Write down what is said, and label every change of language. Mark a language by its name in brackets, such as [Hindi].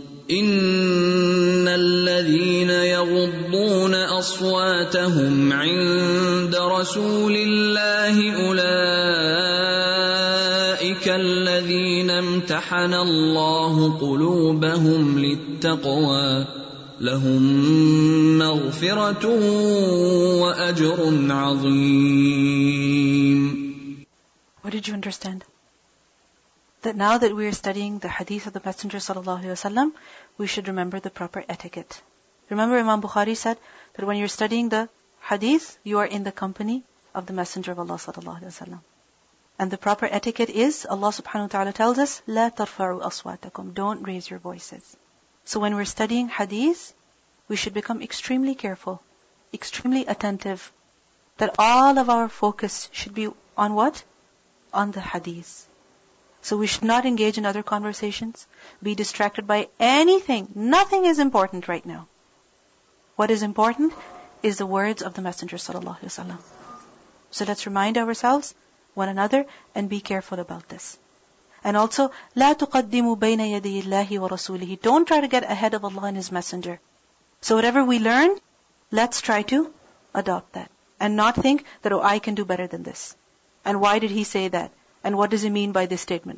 [Arabic] إن الذين يغضون أصواتهم عند رسول الله أولئك الذين امتحن الله قلوبهم للتقوى لهم مغفرة وأجر عظيم. [English] What did you understand? That now that we are studying the hadith of the Messenger sallallahu alaihi wasallam, we should remember the proper etiquette. Remember, Imam Bukhari said that when you're studying the hadith, you are in the company of the Messenger of Allah sallallahu alaihi wasallam. And the proper etiquette is, Allah subhanahu wa ta'ala tells us, [Arabic] لا ترفعوا أصواتكم, [English] don't raise your voices. So when we're studying hadith, we should become extremely careful, extremely attentive, that all of our focus should be on what? On the hadith. So we should not engage in other conversations, be distracted by anything. Nothing is important right now. What is important is the words of the Messenger sallallahu alaihi wasallam. So let's remind ourselves, one another, and be careful about this. And also, [Arabic] لا تقدموا بين يدي الله ورسوله. [English] Don't try to get ahead of Allah and His Messenger. So whatever we learn, let's try to adopt that. And not think that, oh, I can do better than this. And why did he say that? And what does he mean by this statement?